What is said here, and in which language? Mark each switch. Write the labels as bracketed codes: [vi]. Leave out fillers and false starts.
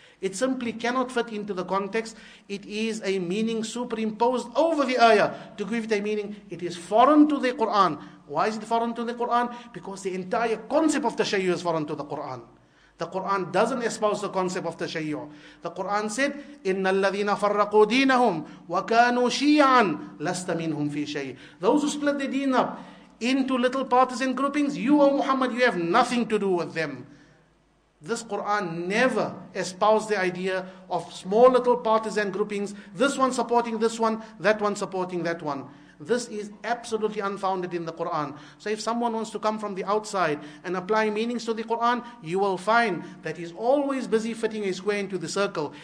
[en] It simply cannot fit into the context. It is a meaning superimposed over the ayah to give it a meaning. It is foreign to the Quran. Why is it foreign to the Quran? Because the entire concept of tashayyu is foreign to the Quran. The Quran doesn't espouse the concept of tashayyu. The Quran said, [ar] إِنَّ الَّذِينَ فَرَّقُوا دِينَهُمْ وَكَانُوا شِيعًا لَسْتَ مِنْهُمْ فِي شَيْءٍ. [en] Those who split the deen up into little partisan groupings, you, O Muhammad, you have nothing to do with them. This Quran never espoused the idea of small little partisan groupings, this one supporting this one, that one supporting that one. This is absolutely unfounded in the Quran. So if someone wants to come from the outside and apply meanings to the Quran, you will find that he's always busy fitting a square into the circle.